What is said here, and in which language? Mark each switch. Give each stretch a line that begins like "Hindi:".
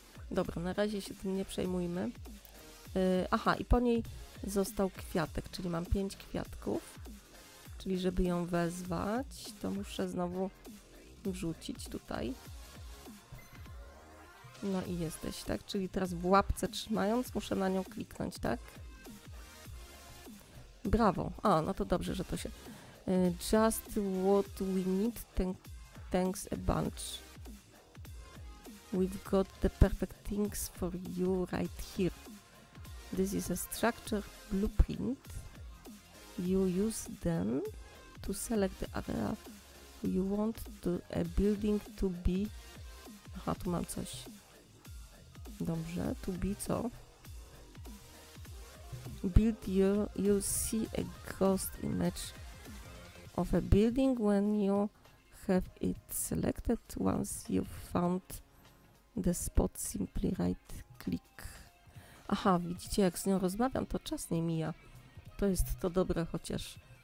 Polish: Dobra, na razie się tym nie przejmujmy. Aha, i po niej został kwiatek, czyli mam 5 kwiatków. Czyli żeby ją wezwać, to muszę znowu wrzucić tutaj. No i jesteś, tak? Czyli teraz w łapce trzymając muszę na nią kliknąć, tak? Brawo. A, no to dobrze, że to się...
English: Just what we need, thanks a bunch. We've got the perfect things for you right here. This is a structure blueprint. You use them to select the area you want a building to be...
Polish: Aha, tu mam coś. Dobrze,
English: to be
Polish: co?
English: Build you see a ghost image of a building when you have it selected. Once you found the spot, simply right click.
Polish: Aha, widzicie, jak z nią rozmawiam, to czas nie mija. To jest to dobre, chociaż...